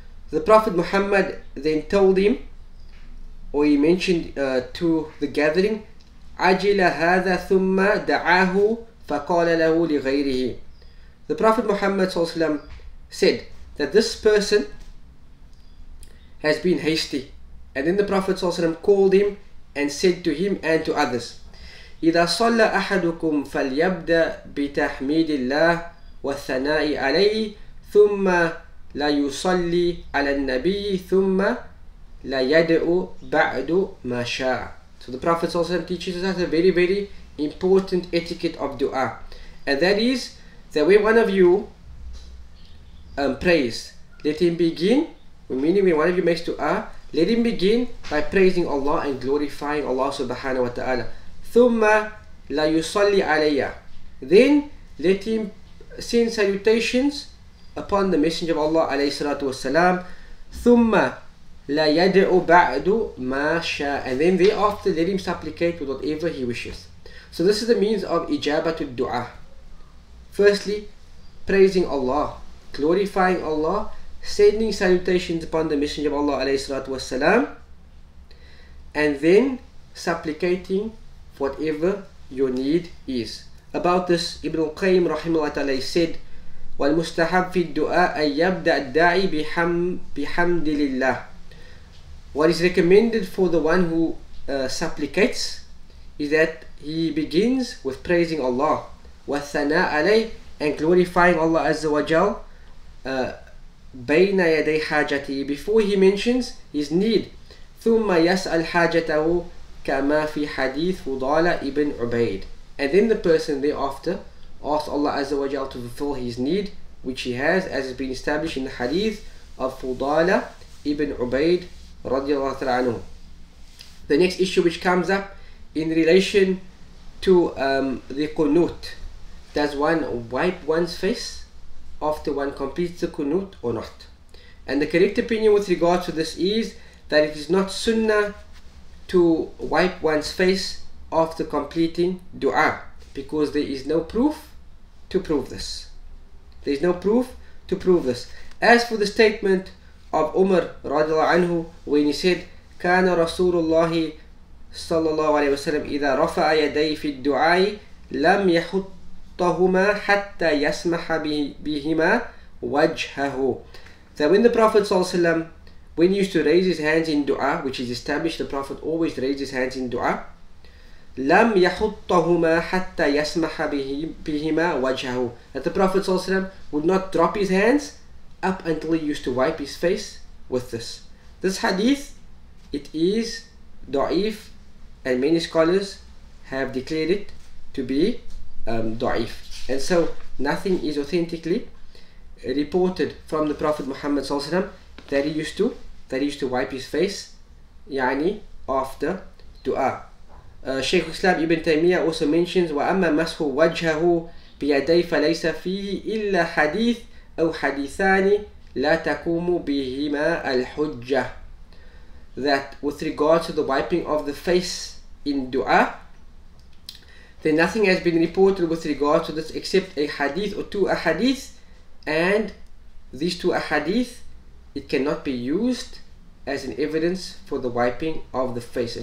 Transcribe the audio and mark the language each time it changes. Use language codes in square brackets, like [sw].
[en] The Prophet Muhammad then told him, or he mentioned to the gathering, [ar] عَجِلَ هَذَا ثُمَّ دَعَاهُ فَقَالَ لَهُ لِغَيْرِهِ. [en] The Prophet Muhammad said that this person has been hasty. And then the Prophet called him and said to him and to others, [ar] إِذَا صَلَّ أَحَدُكُمْ فَلْيَبْدَ بِتَحْمِيدِ اللَّهِ وَالثَّنَاءِ عَلَيْهِ ثُمَّ لا يصلي على النبي ثم لا يدعو بعد ما شاء. [en] So the Prophet ﷺ teaches us a very, very important etiquette of dua, and that is that when one of you prays, let him begin. Meaning, when one of you makes dua, let him begin by praising Allah and glorifying Allah subhanahu wa taala. [ar] ثم لا يصلي عليا. [en] Then let him send salutations upon the Messenger of Allah alayhi salatu wasalam. [ar] Thumma la yad'u ba'du ma sha, [en] and then thereafter let him supplicate with whatever he wishes. So this is the means of ijabatu du'a. Firstly, praising Allah, glorifying Allah, sending salutations upon the Messenger of Allah alayhi salatu wasalam, and then supplicating for whatever your need is. About this, Ibn al-Qayyim rahimahullah ta'ala said, [ar] والمستحب في الدعاء أن يبدأ الداعي بحمد لله. [en] What is recommended for the one who supplicates is that he begins with praising Allah, [ar] والثناء عليه, [en] and glorifying Allah عز وجل, [ar] بين يدي حاجته, [en] before he mentions his need. [ar] ثم يسأل حاجته كما في حديث فضالة ابن عبيد. [en] And then the person thereafter asks Allah Azza wa Jal to fulfill his need, which he has, as has been established in the hadith of Fudala ibn Ubaid radiallahu ta'ala anhu. The next issue which comes up in relation to the kunut: does one wipe one's face after one completes the kunut or not? And the correct opinion with regard to this is that it is not sunnah to wipe one's face after completing dua, because there is no proof to prove this. There is no proof to prove this. As for the statement of Umar radiallahu anhu, when he said, [ar] كَانَ رَسُولُ اللَّهِ صَلَّى اللَّهُ عَلَيْهِ وَسَلَّمْ إِذَا رَفَعَ يَدَيْهِ فِي الدُّعَاءِ لَمْ يَحُطَّهُمَا حَتَّى يَسْمَحَ بِهِمَا وَجْهَهُ. [en] That when the Prophet ﷺ, when he used to raise his hands in dua, which is established, the Prophet always raised his hands in dua, [ar] لَمْ يَحُطَّهُمَا حَتَّى يَسْمَحَ بِهِمَا وَجْهَهُ. [en] That the Prophet ﷺ would not drop his hands up until he used to wipe his face with this. This hadith, it is da'if, and many scholars have declared it to be da'if. And so nothing is authentically reported from the Prophet Muhammad ﷺ that he used to wipe his face, يعني after dua. Shaykh Islam Ibn Taymiyyah also mentions, [ar] وَأَمَّا مَسْهُ وَجْهَهُ بِيَدَيْ فَلَيْسَ فِيهِ إِلَّا حَدِيثٍ أو حديثان لا تقوم بهما الحجة. [en] That with regard to the wiping of the face in dua, then nothing has been reported with regard to this except a hadith or two ahadith, and these two ahadith, it cannot be used as an evidence for the wiping of the face.